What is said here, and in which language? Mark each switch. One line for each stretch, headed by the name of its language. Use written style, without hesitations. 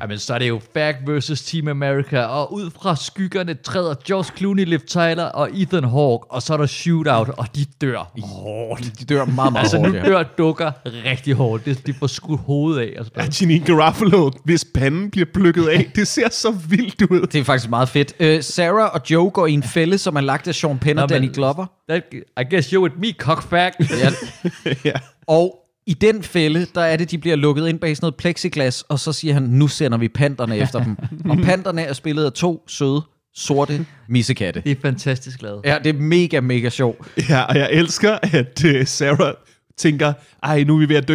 Danish: Jamen, så er det jo Fag versus Team America. Og ud fra skyggerne træder George Clooney, Liv Tyler og Ethan Hawke. Og så er der shootout. Og de dør hårdt. De dør meget, meget hårdt. Altså, nu dør dukker rigtig hårdt. De får skudt hovedet af. Ja, Janine Garofalo, hvis panden bliver plukket af. Det ser så vildt ud. Det er faktisk meget fedt. Sarah og Joe går i en fælde, som er lagt af Sean Penn og Danny Glover.
English: I guess you with me, cockfag. Yeah.
Danish: Og i den fælde, der er det, de bliver lukket ind bag sådan noget plexiglas, og så siger han, nu sender vi panterne efter dem. Og panterne er spillet af to søde, sorte missekatte. Det er fantastisk glad. Ja, det er mega, mega sjov. Ja, og jeg elsker, at Sarah tænker, ej, nu er vi ved at dø.